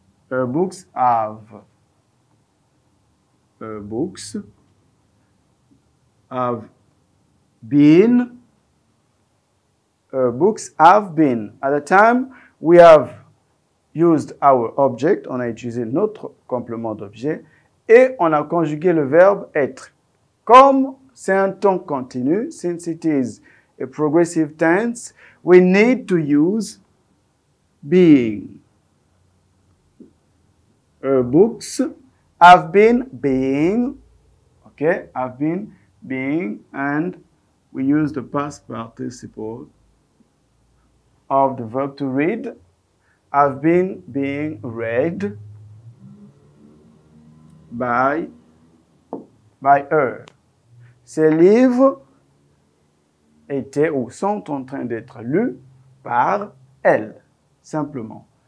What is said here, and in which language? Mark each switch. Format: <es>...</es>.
<en>Her books have. Her books have been. Books have been. At the time, we have used our object.</en> <fr>On a utilisé notre complément d'objet. Et on a conjugué le verbe être. Comme c'est un temps continu,</fr> <en>since it is a progressive tense, we need to use being. Books have been being, okay, have been being, and we use the past participle of the verb to read, have been being read by her.</en> <fr>Ces livres étaient ou sont en train d'être lus par elle, simplement.</fr>